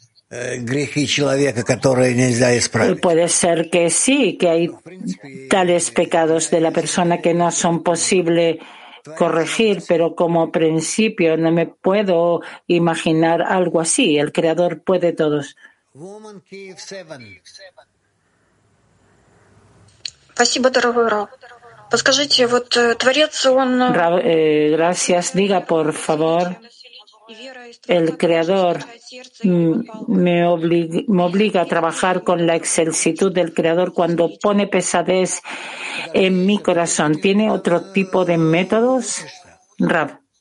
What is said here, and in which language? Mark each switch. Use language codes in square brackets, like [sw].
[ru] Грехи человека, которые нельзя исправить. [es] Puede ser que sí, que hay tales pecados de la persona que no son posible corregir, pero como principio no me puedo imaginar algo así. El creador puede todos. [en] Woman, [es] Kiev 7. [ru] Спасибо, дорогой Рав. Подскажите, вот Творец, он... [es] Gracias, diga por favor. El creador me obliga a trabajar con la excelsitud del creador cuando pone pesadez en mi corazón. ¿Tiene otro tipo de métodos? Rab.